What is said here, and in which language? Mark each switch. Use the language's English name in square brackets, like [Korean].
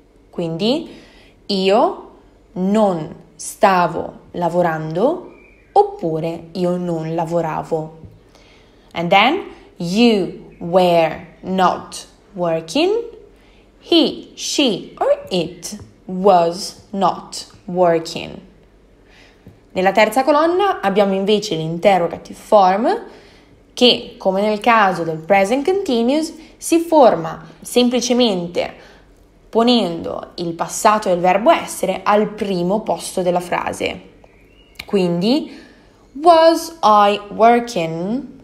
[Italian] Quindi io non stavo lavorando oppure io non lavoravo. [English] And then, you were not working, he, she or it was not working. [Italian] Nella terza colonna abbiamo invece l'interrogative form che, come nel caso del present continuous, si forma semplicemente ponendo il passato del verbo essere al primo posto della frase. [English] Quindi, was I working?